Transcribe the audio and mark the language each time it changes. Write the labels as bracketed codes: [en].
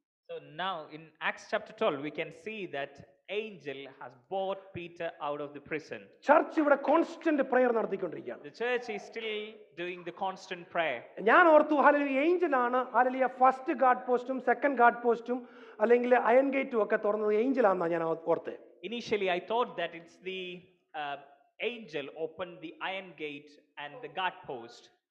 [en] So now in Acts chapter 12 we can see that angel has brought Peter out of the prison. [ml] Church ഇവിടെ constant prayer നടത്തിക്കൊണ്ടിരിക്കുകയാണ്. [en] The church is still doing the constant prayer. [ml] ഞാൻ ഓർത്തു hallelujah Angel ആണ് hallelujah first guard പോസ്റ്റും second guard പോസ്റ്റും അല്ലെങ്കിൽ iron ഗേറ്റും ഒക്കെ തുറന്നത് ഏഞ്ചൽ ആണെന്ന് ഞാൻ ഓർത്തെ. [en] Initially I thought that it's the angel opened the iron gate and the guard post.